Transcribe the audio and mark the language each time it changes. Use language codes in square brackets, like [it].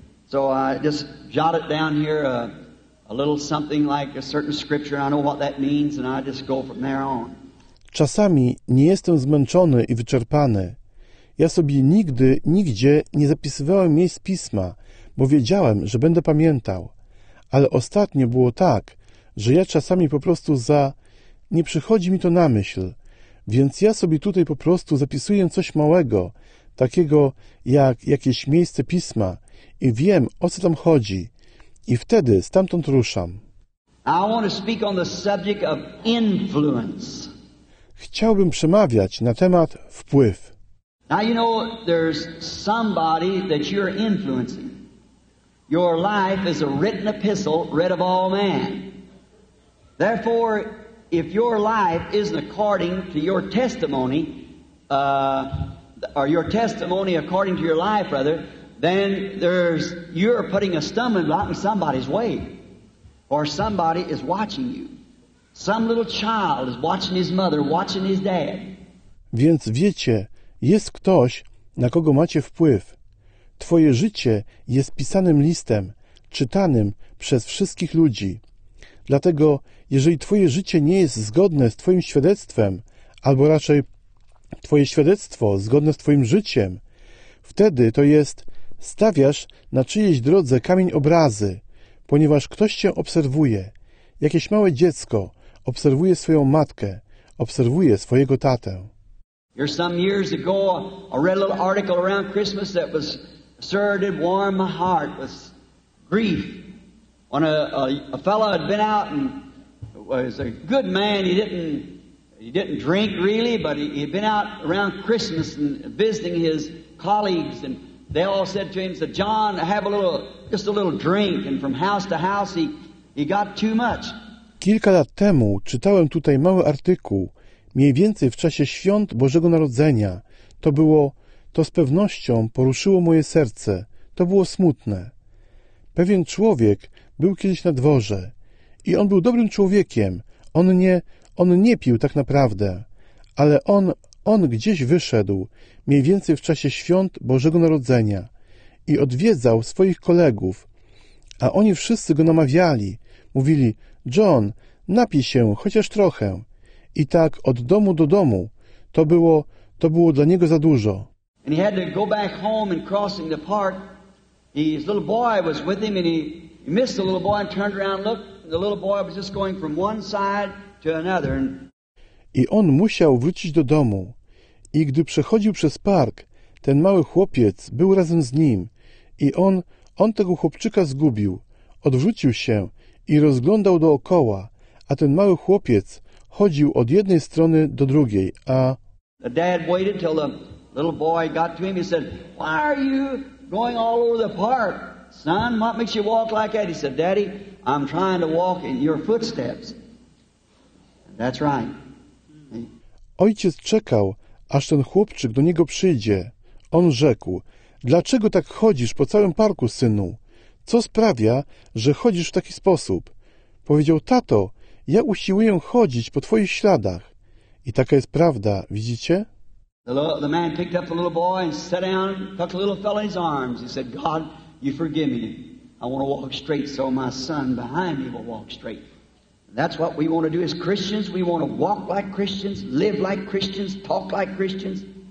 [en] So I just jot it down here a little something like a certain scripture. I know what that means and I just go from there on. [pl] Czasami nie jestem zmęczony i wyczerpany. Ja sobie nigdy, nigdzie nie zapisywałem miejsc pisma, bo wiedziałem, że będę pamiętał. Ale ostatnio było tak, że ja czasami po prostu nie przychodzi mi to na myśl, więc ja sobie tutaj po prostu zapisuję coś małego, takiego jak jakieś miejsce pisma i wiem, o co tam chodzi i wtedy stamtąd ruszam. [en] I want to speak on the subject of influence. [pl] Chciałbym przemawiać na temat wpływ. [en] Now you know there's somebody that you're influencing. Your life is a written epistle read of all men. Therefore, if your life isn't according to your testimony, or your testimony according to your life, rather, then you're putting a stumbling block in somebody's way. Or somebody is watching you. Some little child is watching his mother, watching his dad. [pl] Więc wiecie, jest ktoś, na kogo macie wpływ. Twoje życie jest pisanym listem, czytanym przez wszystkich ludzi. Dlatego, jeżeli twoje życie nie jest zgodne z twoim świadectwem, albo raczej twoje świadectwo zgodne z twoim życiem, wtedy to jest, stawiasz na czyjejś drodze kamień obrazy, ponieważ ktoś cię obserwuje. Jakieś małe dziecko obserwuje swoją matkę, obserwuje swojego tatę. [en] Here some years ago, I read a little article around Christmas that was started warm my heart with grief. When a fellow had been out and was a good man, he didn't drink really, but he had been out around Christmas and visiting his colleagues, and they all said to him, said, John, have a little drink, and from house to house he got too much. [pl] Kilka lat temu czytałem tutaj mały artykuł, mniej więcej w czasie świąt Bożego Narodzenia. To z pewnością poruszyło moje serce. To było smutne. Pewien człowiek był kiedyś na dworze i on był dobrym człowiekiem. On nie pił tak naprawdę, ale on gdzieś wyszedł, mniej więcej w czasie świąt Bożego Narodzenia i odwiedzał swoich kolegów, a oni wszyscy go namawiali. Mówili, John, napij się chociaż trochę. I tak od domu do domu. To było dla niego za dużo. [en] And he had to go back home and crossing the park. His little boy was with him and he missed the little boy and turned around and looked. And the little boy was just going from one side to another. [pl] I on musiał wrócić do domu. I gdy przechodził przez park, ten mały chłopiec był razem z nim. I on tego chłopczyka zgubił. Odwrócił się i rozglądał dookoła. A ten mały chłopiec chodził od jednej strony do drugiej. [en] A the dad waited till the little boy got to him. He said, why are you going all over the park, son? What makes you walk like that? He said, Daddy, I'm trying to walk in your footsteps. That's right. [pl] Ojciec czekał, aż ten chłopczyk do niego przyjdzie. On rzekł, dlaczego tak chodzisz po całym parku, synu? Co sprawia, że chodzisz w taki sposób? Powiedział, tato, ja usiłuję chodzić po twoich śladach. I taka jest prawda, widzicie? [en] The man picked up the little boy and sat down, took the little fellow in his arms. He said, God, you forgive me. I want to walk straight so my son behind me will walk straight. And that's what we want to do as Christians. We want to walk like Christians, live like Christians, talk like Christians.